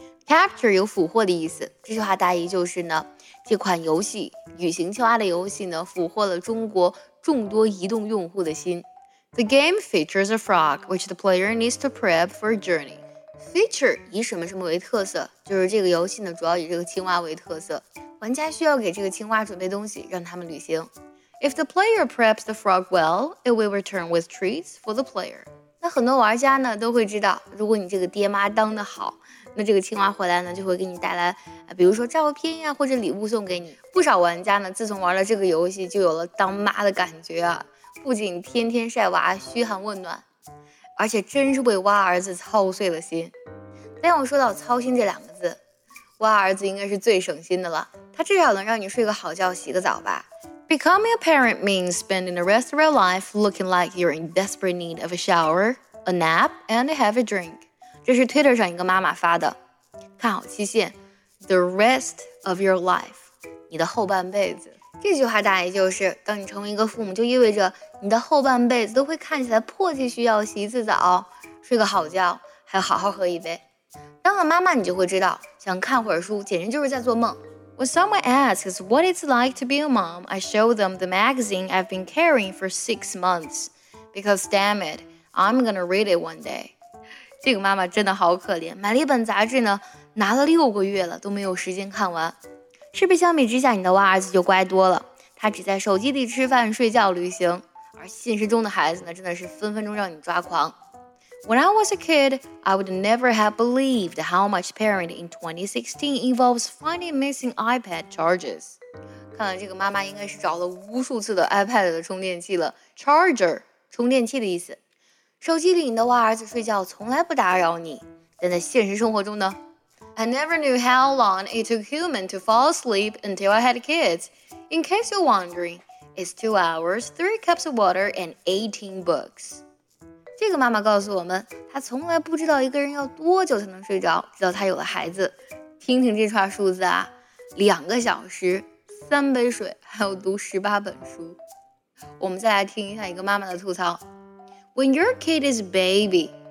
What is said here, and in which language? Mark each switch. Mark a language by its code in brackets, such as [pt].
[zh] Capture 有俘获的意思，这句话大意就是呢，这款游戏旅行青蛙的游戏呢，俘获了中国众多移动用户的心。 [en] The game features a frog, which the player needs to prep for a journey. [zh] Feature 以什么什么为特色，就是这个游戏呢主要以这个青蛙为特色，玩家需要给这个青蛙准备东西让他们旅行。 [en] If the player preps the frog well, it will return with treats for the player. [zh] 那很多玩家呢都会知道，如果你这个爹妈当得好，那这个青蛙回来呢就会给你带来比如说照片呀，或者礼物送给你。不少玩家呢自从玩了这个游戏就有了当妈的感觉啊，不仅天天晒娃嘘寒问暖，而且真是为蛙儿子操碎了心。但要说到操心这两个字，蛙儿子应该是最省心的了，他至少能让你睡个好觉洗个澡吧。 [en] Becoming a parent means spending the rest of your life looking like you're in desperate need of a shower, a nap, and a heavy drink. [zh] 这是 Twitter 上一个妈妈发的，看好期限 [en] The rest of your life, [zh] 你的后半辈子。这句话大意就是，当你成为一个父母，就意味着你的后半辈子都会看起来迫切需要洗一次澡、睡个好觉，还有好好喝一杯。当了妈妈，你就会知道，想看会儿书简直就是在做梦。 [en] When someone asks what it's like to be a mom, I show them the magazine I've been carrying for 6 months. Because damn it, I'm gonna read it one day. [zh] 这个妈妈真的好可怜，买了一本杂志呢，拿了6个月了都没有时间看完。是不是相比之下你的娃儿子就乖多了，他只在手机里吃饭睡觉旅行，而现实中的孩子呢真的是分分钟让你抓狂。 [en] When I was a kid, I would never have believed how much parent in 2016 involves finding missing iPad charges. [zh] 看来这个妈妈应该是找了无数次的 iPad 的充电器了。 Charger, 充电器的意思。手机里你的娃儿子睡觉从来不打扰你，但在现实生活中呢， [en] I never knew how long it took human to fall asleep until I had kids. In case you're wondering, it's 2 hours, 3 cups of water, and 18 books. [zh] 这个妈妈告诉我们，她从来不知道一个人要多久才能睡着，直到她有了孩子。听听这串数字啊，2个小时，3杯水，还有18本书。我们再来听一下一个妈妈的吐槽。 [en] When your kid is a baby,